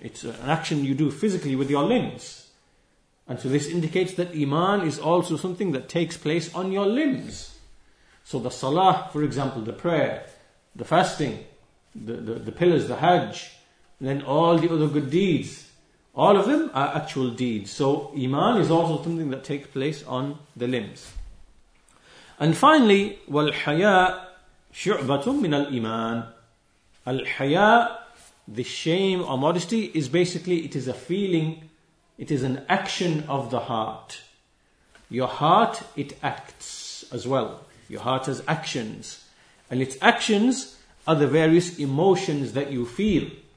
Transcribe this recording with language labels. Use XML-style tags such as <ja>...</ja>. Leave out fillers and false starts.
<en>It's an action you do physically with your limbs. And so this indicates that iman is also something that takes place on your limbs. So the salah, for example, the prayer, the fasting, the pillars, the hajj, and then all the other good deeds, all of them are actual deeds. So iman is also something that takes place on the limbs. And finally,</en> <ar>والحياء شعبة من الإيمان.</ar> <en>الحياء, the shame or modesty, is basically, it is a feeling, it is an action of the heart. Your heart, it acts as well. Your heart has actions. And its actions are the various emotions that you feel.</en>